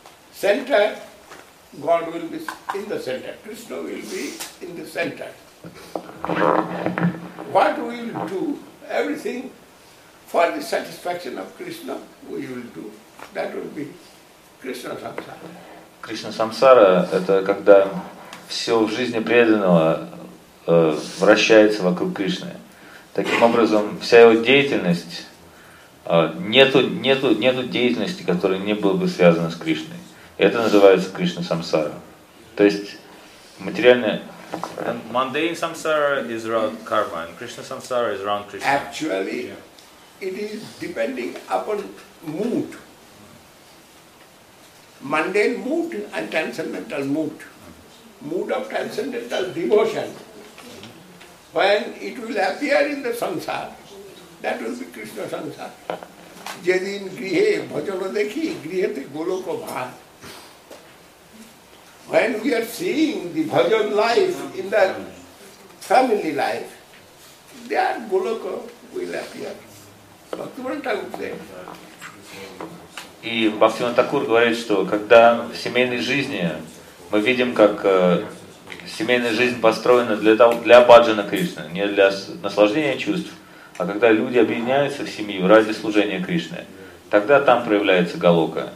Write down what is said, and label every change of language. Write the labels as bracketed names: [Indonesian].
[English] Center, God will be in the center. Krishna will be in the center. What we will do, everything for the satisfaction of Krishna, we will do. That will be Кришна-самсара. [Russian] Кришна-самсара – это когда все в жизни преданного вращается вокруг Кришны. Таким образом, вся его деятельность, нету деятельности, которая не была бы связана с Кришной. Это называется Кришна-самсара. То есть, материальное… [English] Mundane samsara is around karma, and Krishna-самсара is around Krishna. Actually, it is depending upon mood. Mundane mood and transcendental mood. Mood of transcendental devotion. When it will appear in the samsara, that will be Krishna samsara. [Bangla] Jedin grihe bhajana dekhi, grihe te goloko bhaar. [English] When we are seeing the bhajan life in the family life, there goloko will appear. Bhaktivinoda would say. [Russian] И Бхактивинода Тхакур говорит, что когда в семейной жизни мы видим, как семейная жизнь построена для баджана Кришны, не для наслаждения чувств, а когда люди объединяются в семью ради служения Кришны, тогда там проявляется галока.